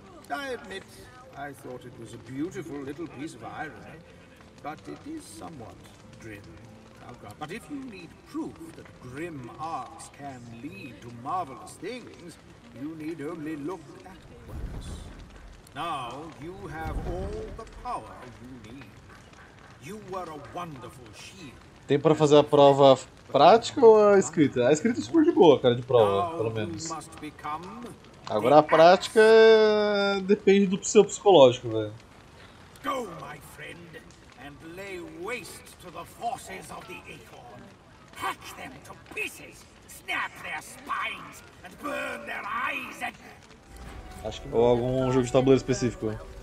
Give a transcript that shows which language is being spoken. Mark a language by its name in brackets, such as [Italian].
[English] I admit, I thought it was a beautiful little piece of irony, but it is somewhat grim. But if you need proof that grim arcs can lead to marvelous things, you need only look at Quercus. Now you have all the power you need. You were a wonderful shield. [Portuguese] Tem para fazer a prova prática ou a escrita? A escrita é super de boa, cara, de prova, pelo menos. Agora a prática depende do seu psicológico, velho. [English] Go, my friend, and lay waste to the forces of the acorn. hack them to pieces, snap their spines, and burn their eyes and... [Portuguese] Acho que ou algum jogo de tabuleiro específico.